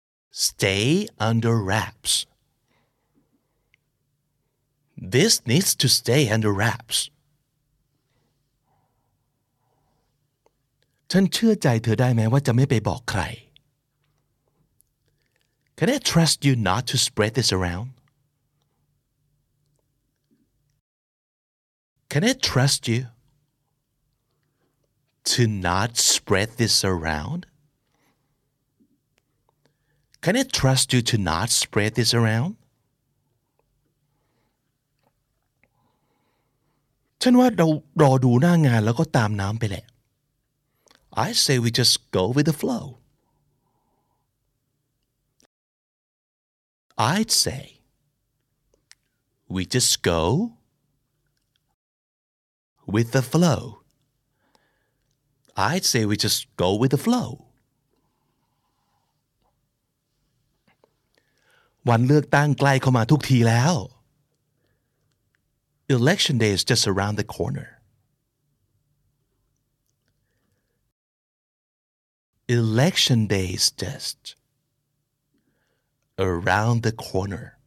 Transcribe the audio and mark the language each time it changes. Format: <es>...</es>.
<en>Stay under wraps. This needs to stay under wraps.</en> <th>ฉันเชื่อใจเธอได้ไหมว่าจะไม่ไปบอกใคร</th> <en>Can I trust you not to spread this around? Can I trust you to not spread this around? Can I trust you to not spread this around?</en> <th>ฉันว่าเรารอดูหน้างานแล้วก็ตามน้ำไปแหละ</th> <en>I say we just go with the flow. I'd say we just go with the flow. I'd say we just go with the flow.</en> <th>วันเลือกตั้งใกล้เข้ามาทุกทีแล้ว</th> <en>Election day is just around the corner. Election day is just around the corner.</en>